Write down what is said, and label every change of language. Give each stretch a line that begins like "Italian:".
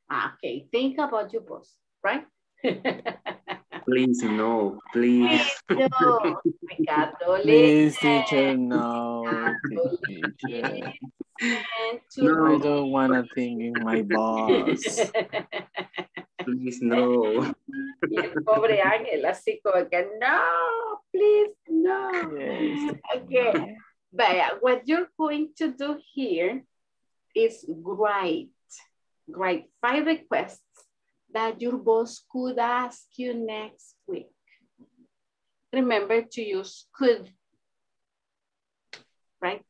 English: Okay, think about your boss, right? Please, no, please. Ricardo, please, teacher, no. Teacher. No, I don't want to think in my boss. Please, no.
Spanish: Y el pobre Ángel, así como que, no,
English: please, no. Yes. Okay. Vaya, what you're going to do here is write 5 requests that your boss could ask you next week. Remember to use could, right?